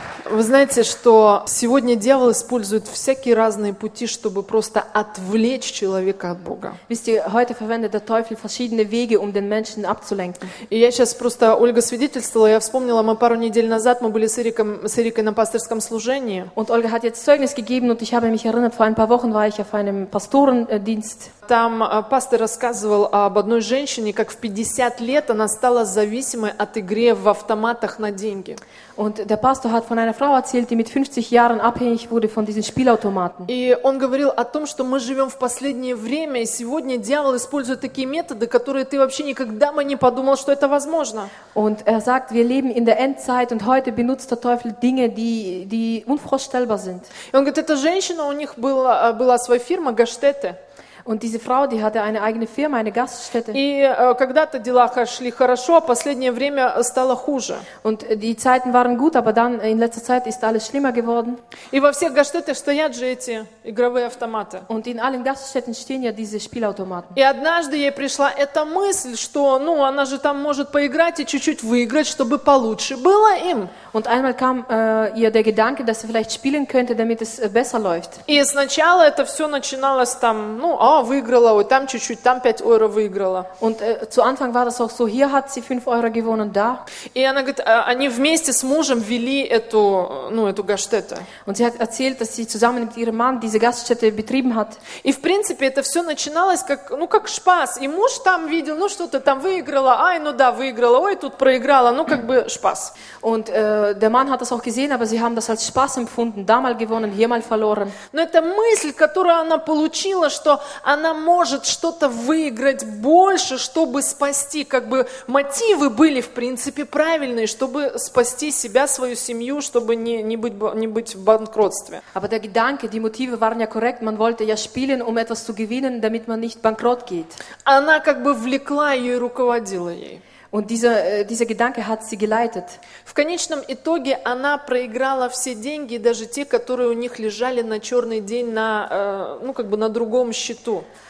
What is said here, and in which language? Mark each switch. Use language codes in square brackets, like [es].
[ru] Вы знаете, что сегодня дьявол использует всякие разные пути, чтобы просто отвлечь человека от Бога. [de] Wisst ihr, heute verwendet der Teufel verschiedene Wege, um den Menschen abzulenken. [ru] И я сейчас просто, Ольга свидетельствовала, я вспомнила, мы пару недель назад, мы были с Эрикой на пастырском служении. [de] Und Ольга hat jetzt Zeugnis gegeben, und ich habe mich erinnert, vor ein paar Wochen war ich auf einem Pastorendienst. [ru] Там пастор рассказывал об одной женщине, как в 50 лет она стала зависимой от игры в автоматах на деньги. [de] Und der Pastor hat von einer Frau erzählt, die mit 50 Jahren abhängig wurde von diesen Spielautomaten. [ru] И он говорил о том, что мы живем в последнее время, и сегодня дьявол использует такие методы, которые ты вообще никогда бы не подумал, что это возможно. [de] Und er sagt, wir leben in der Endzeit, und heute benutzt der Teufel Dinge, die unvorstellbar sind. [ru] И он говорит, эта женщина, у них была своя фирма Gaststätte. [de] Und diese Frau, die hatte eine eigene Firma, eine Gaststätte. [ru] И когда-то дела шли хорошо, а последнее время стало хуже. [de] Und die Zeiten waren gut, aber dann in letzter Zeit ist alles schlimmer geworden. [ru] И во всех Gaststätten стоят же эти игровые автоматы. [de] Und in allen Gaststätten stehen ja diese Spielautomaten. [ru] И однажды ей пришла эта мысль, что, ну, она же там может поиграть и чуть-чуть выиграть, чтобы получше было им. [de] Und einmal kam ihr der Gedanke, dass sie vielleicht spielen könnte, damit es besser läuft. [ru] И сначала это все начиналось там, ну, о, выиграла, вот там чуть-чуть, там 5 евро выиграла. [de] Und zu Anfang war das auch so, hier hat sie 5 Euro gewonnen, da. [ru] И она говорит, они вместе с мужем вели эту, ну, эту гаштетту. [de] Und sie hat erzählt, dass sie zusammen mit ihrem Mann diese Gaststätte betrieben hat. [ru] И в принципе это все начиналось как, ну, как шпас. И муж там видел, ну, что-то там выиграла, ай, ну да, выиграла, ой, тут проиграла, ну, как бы шпас. [de] Und der Mann hat das auch gesehen, aber sie haben das als Spaß empfunden, da mal gewonnen, hier mal verloren. [ru] Но это мысль, которую она получила, что она может что-то выиграть больше, чтобы спасти, как бы мотивы были в принципе правильные, чтобы спасти себя, свою семью, чтобы не быть в банкротстве. [de] Aber der Gedanke, die Motive waren ja korrekt, man wollte ja spielen, um etwas zu gewinnen, damit man nicht bankrott geht. [ru] Она как бы влекла ее и руководила ей. [de] Und dieser Gedanke hat sie geleitet. [ru] В конечном итоге она проиграла все деньги, даже те, которые у них лежали на черный день на, ну, как бы на другом счету.